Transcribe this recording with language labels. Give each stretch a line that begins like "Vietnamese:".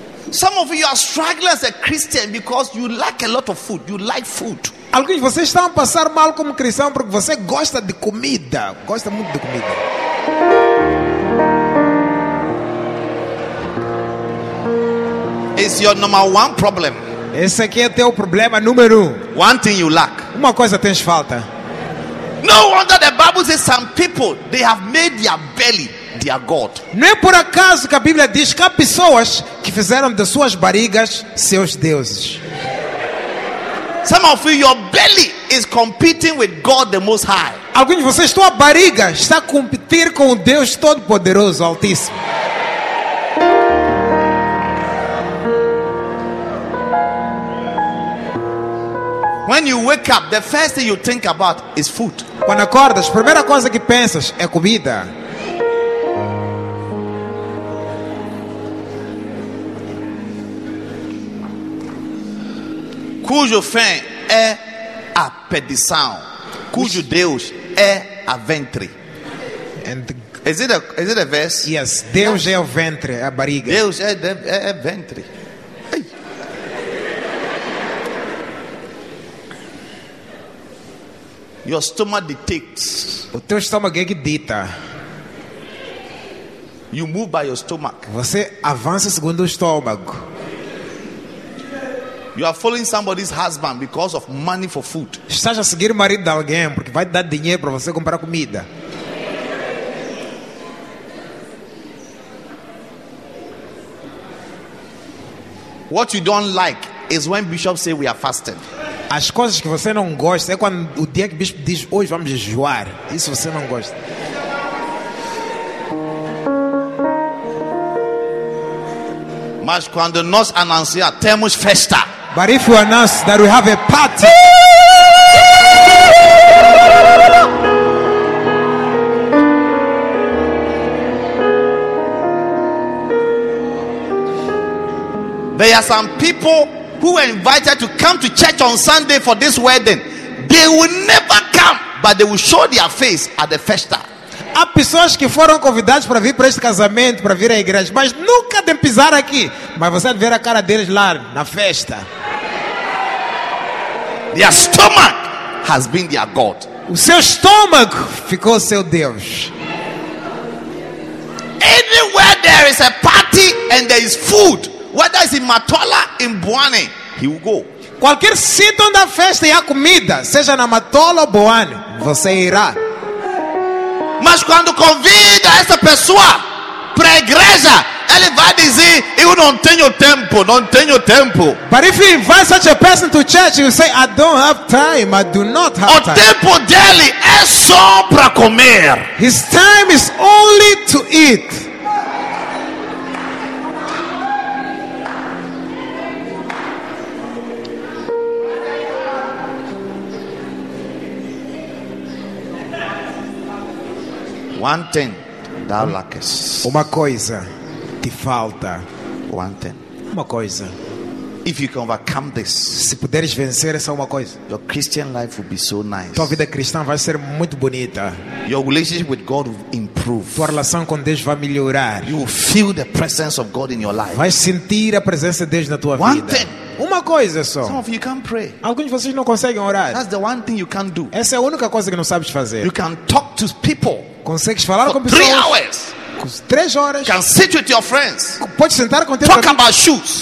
English: Some of you are struggling as a Christian because you lack a lot of food. You like food.
Portuguese: Alguns de vocês estão a passar mal como cristão porque você gosta de comida. Gosta muito de comida.
English: It's your number one problem.
Portuguese: Esse aqui é teu problema número um.
English: One thing you lack.
Portuguese: Uma coisa tens falta.
English: No wonder the Bible says some people, they have made their belly their God.
Portuguese: Não é por acaso que a Bíblia diz que há pessoas que fizeram de suas barrigas seus deuses.
English: Some of you, your belly is competing with God the Most High.
Portuguese: Alguns de vocês, tua barriga está a competir com o Deus Todo-Poderoso, Altíssimo.
English: When you wake up, the first thing you think about is food.
Portuguese: Quando acordas, a primeira coisa que pensas é comida. Cujo fim é a perdição. Cujo Deus é a ventre.
English: Is it a verse?
Portuguese: Yes. Deus é o ventre, a barriga. Deus é ventre.
English: Your stomach dictates.
Portuguese: O teu estômago é que dita.
English: You move by your stomach.
Portuguese: Você avança segundo o estômago.
English: You are following somebody's husband because of money for food.
Portuguese: Estás a seguir o marido de alguém porque vai dar dinheiro para você comprar comida.
English: What you don't like is when bishops say we are fasting.
Portuguese: As coisas que você não gosta é quando o dia que o bispo diz hoje vamos jejuar. Isso você não gosta. Mas quando nós anunciamos, temos festa.
English: But if we announce that we have a party. There are some people who were invited to come to church on Sunday for this wedding. They will never come, but they will show their face at the festa.
Portuguese: Há pessoas que foram convidadas para vir para este casamento, para vir à igreja, mas nunca devem pisar aqui. Mas você vai ver a cara deles lá na festa.
English: Their stomach has been their God.
Portuguese: O seu estômago ficou seu Deus.
English: Anywhere there is a party and there is food, whether it's in Matola, in Boane, he will go.
Portuguese: Qualquer sítio onde há festa e há comida, seja na Matola ou Boane, você irá. Mas quando convida essa pessoa para a igreja, ele vai dizer, eu não tenho tempo, não tenho tempo.
English: But if you invite such a person to church, you say, I don't have time, I do not have o time.
Portuguese: O tempo dele é só para comer.
English: His time is only to eat. One thing, thou lackest.
Portuguese: Uma coisa te falta.
English: One thing.
Portuguese: Uma coisa.
English: If you can overcome this,
Portuguese: se puderes vencer essa uma coisa,
English: your Christian life will be so nice.
Portuguese: Tua vida cristã vai ser muito bonita.
English: Your relationship with God will improve.
Portuguese: Tua relação com Deus vai melhorar.
English: You will feel the presence of God in your life.
Portuguese: Vai sentir a presença de Deus na tua
English: vida. One thing.
Portuguese: Uma coisa só.
English: Some of you can't pray.
Portuguese: Alguns de vocês não conseguem orar.
English: That's the one thing you can't do.
Portuguese: Essa é a única coisa que não sabes fazer.
English: You can talk to people.
Portuguese: Consegues falar com pessoas? 3 horas.
English: Can sit with your friends.
Portuguese: Pode sentar com
English: teus. Talk about shoes.